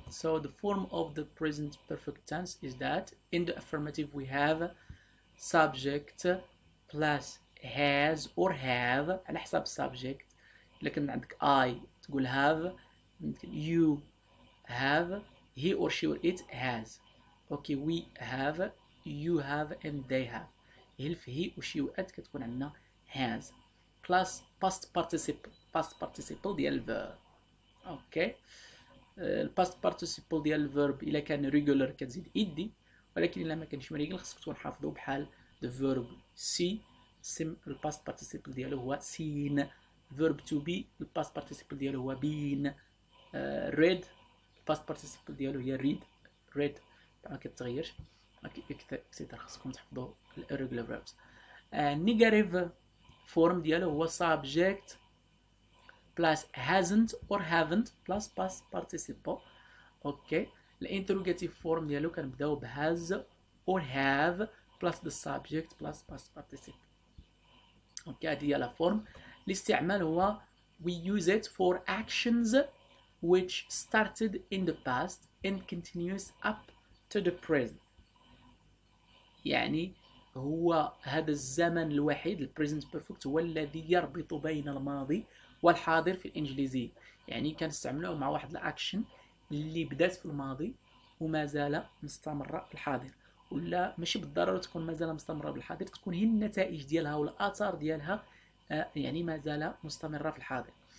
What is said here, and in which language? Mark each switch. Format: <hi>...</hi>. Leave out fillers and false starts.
<en>So the form of the present perfect tense is that in the affirmative we have subject plus has or have</en> <ar>على حساب</ar> <en>subject.</en> <ar>لكن عندك</ar> <en>I</en> <ar>تقول</ar> <en>have, you have, he or she or it has. Okay, we have, you have, and they have.</en> <ar>هل في</ar> <en>he و she و it</en> <ar>كتكون عندنا</ar> <en>has. Plus past participle. Past participle</en> <ar>ديال الفيرب.</ar> <en>Okay. Past participle</en> <ar>ديال الفيرب إلا كان</ar> <en>regular</en> <ar>كتزيد إيدي. ولكن إلا ما كانش مريجل خصك تكون حافظه بحال</ar> <en>the verb see.</en> <ar>سم الباست بارتيسيبل ديالو هو سين. فيرب تو بي الباست بارتيسيبل ديالو هو بين. ريد الباست بارتيسيبل ديالو هي ريد. ريد ما كتغيرش اكسيتر. خاصكم تحفظوا الريغولار فيربس. نيجاتيف فورم ديالو هو سابجكت بلاس هازنت اور هافنت بلاس باست بارتيسيبل. اوكي الانتروجاتيف فورم ديالو كنبداو بهاز اور هاف بلاس ذا سابجكت بلاس باست بارتيسيبل. اوكي هذه هي لا فورم. الاستعمال هو</ar> <en>we use it for actions which started in the past and continues up to the present.</en> <ar>يعني هو هذا الزمن الوحيد البريزنت بيرفكت هو الذي يربط بين الماضي والحاضر في الانجليزيه. يعني كنستعملوه مع واحد الاكشن اللي بدات في الماضي وما زال مستمره في الحاضر. ولا ماشي بالضروره تكون مازال مستمره بالحاضر، تكون هي النتائج ديالها والاثار ديالها يعني مازال مستمره في الحاضر.</ar>